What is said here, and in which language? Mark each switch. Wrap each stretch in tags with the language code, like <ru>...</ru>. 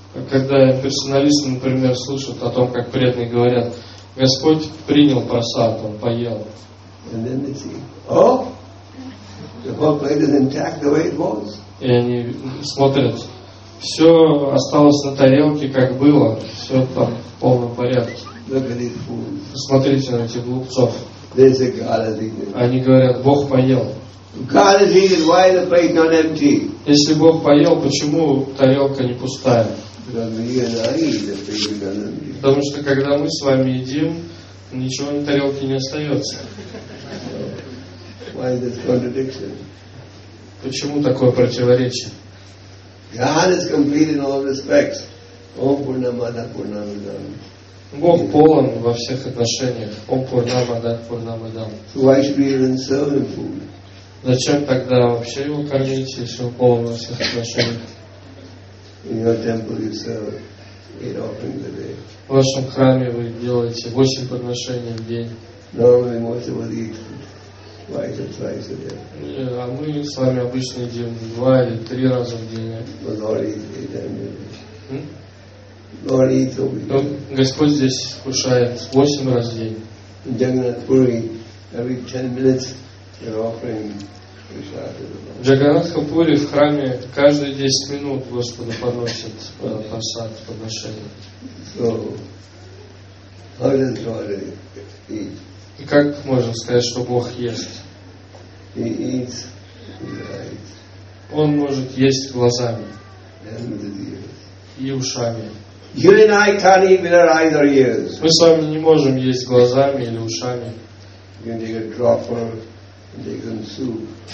<ru>Когда персоналисты, например, слышат о том, как преданные говорят, Господь принял просад, Он поел.</ru> <en>And then they see, the whole plate is intact the way it was.</en> <ru>И они смотрят, все осталось на тарелке, как было, все там в полном порядке.</ru> <en>Look at these fools.</en> <ru>Посмотрите на этих глупцов.</ru> <en>They say, God has eaten.</en> <ru>Они говорят, Бог поел.</ru> <en>God has eaten, why the plate not empty?</en> <ru>Если Бог поел, почему тарелка не пустая? Потому что когда мы с вами едим, ничего на тарелке не остается.</ru> <en>Why this contradiction?</en> <ru>Почему такое противоречие?</ru> <en>God is complete in all respects.</en> <sa>Om Purnamada Purnamidam.</sa> <ru>Бог полон во всех отношениях.</ru> <sa>Om Purnamada Purnamidam.</sa> <en>So why should we even serve Him food?</en> <ru>Зачем тогда вообще его кормить, если он полон во всех отношениях?</ru> <en>In your temple you serve 8 offerings a day.</en> <ru>В вашем храме вы делаете 8 подношений в день.</ru> <en>Normally most of us eat twice or thrice a day.</en> <ru>А мы с вами обычно едим 2 или 3 раза в день.</ru> <en>But Lord eats 8 times a day. Lord eats over here.</en> <ru>Господь здесь кушает 8 раз в день.</ru> <en>In Jagannath Puri, every 10 minutes you're offering.</en> <ru>В Джаганатхапуре в храме каждые 10 минут Господу подносят просад, подношение.</ru> <en>So, how does God eat?</en> <ru>И как можем сказать, что Бог ест?</ru> <en>He eats with eyes.</en> <ru>Он может есть глазами.</ru> <en>And with ears.</en> <ru>И ушами.</ru> <en>You and I can't eat with our eyes or ears.</en> <ru>Мы с вами не можем есть глазами или ушами.</ru> <en>You can take a dropper and take some soup.</en>